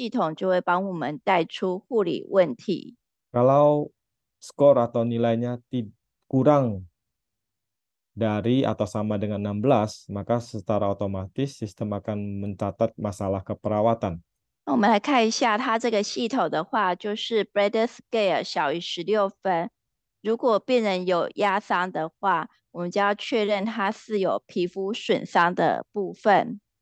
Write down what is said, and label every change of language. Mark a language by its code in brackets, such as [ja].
[zh] 那这六个总分如果小于等于16分，系统就会帮我们带出护理问题。 [id] Kalau skor atau nilainya kurang dari atau sama dengan 16, maka secara otomatis sistem akan mencatat masalah keperawatan. [zh] 那我们来看一下它这个系统的话，就是 Brandon Scale 小于16分。如果病人有压伤的话，我们就要确认他是有皮肤损伤的部分。